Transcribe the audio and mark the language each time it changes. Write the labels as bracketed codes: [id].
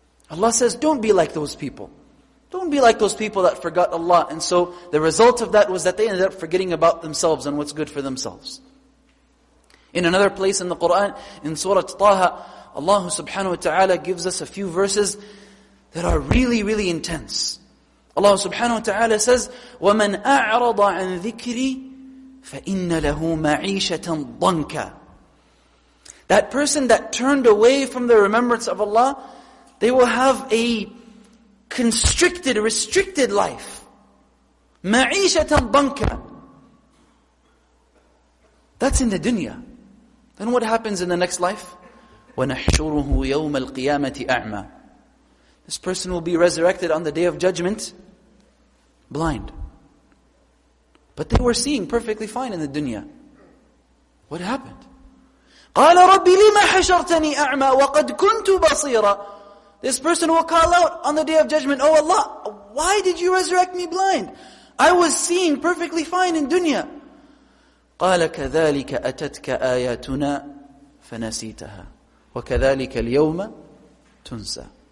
[en] Allah says, don't be like those people. Don't be like those people that forgot Allah. And so the result of that was that they ended up forgetting about themselves and what's good for themselves. In another place in the Qur'an, in Surah Taha, Allah subhanahu wa ta'ala gives us a few verses that are really, really intense. Allah subhanahu wa ta'ala says, [ar] وَمَنْ أَعْرَضَ عَنْ ذِكْرِي فَإِنَّ لَهُ مَعِيشَةً ضَنْكَ. [en] That person that turned away from the remembrance of Allah, they will have a constricted, restricted life. [ar] مَعِيشَةً ضَنْكَ. [en] That's in the dunya. Then what happens in the next life? [ar] وَنَحْشُرُهُ يَوْمَ الْقِيَامَةِ أَعْمَى. [en] This person will be resurrected on the Day of Judgment, blind. But they were seeing perfectly fine in the dunya. What happened? [ar] قَالَ رَبِّ لِمَ حَشَرْتَنِي أَعْمَى وَقَدْ كُنْتُ بَصِيرًا. [en] This person will call out on the Day of Judgment, oh Allah, why did you resurrect me blind? I was seeing perfectly fine in dunya. [ar] قَالَ كَذَلِكَ أَتَتْكَ آيَاتُنَا فَنَسِيتَهَا وَكَذَلِكَ الْيَوْمَ تُنْسَى.